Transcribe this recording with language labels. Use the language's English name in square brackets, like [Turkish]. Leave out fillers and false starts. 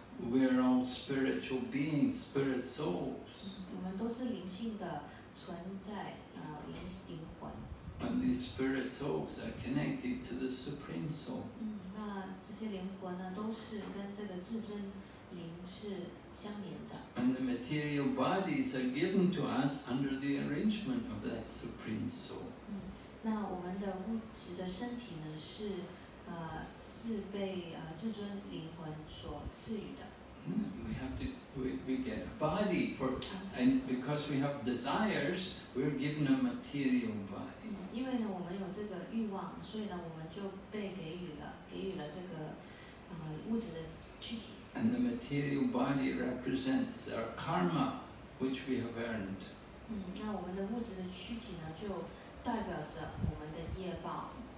[English] We are all spiritual beings, spirit souls. [Chinese] 我们都是灵性的存在，灵魂。 [English] And these spirit souls are connected to the supreme soul. [Chinese] 那这些灵魂呢，都是跟这个至尊灵是相连的。 [English] And the material bodies are given to us under the arrangement of that supreme soul. [Chinese] 那我们的物质的身体呢，是是被至尊灵魂所赐予的。 [English] We have to we get a body for and because we have desires, we're given a material body. [Chinese] 因为呢，我们有这个欲望，所以呢，我们就被给予了这个物质的躯体。 [English] And the material body represents our karma, which we have earned. [Chinese] 那我们的物质的躯体呢，就代表着我们的业报。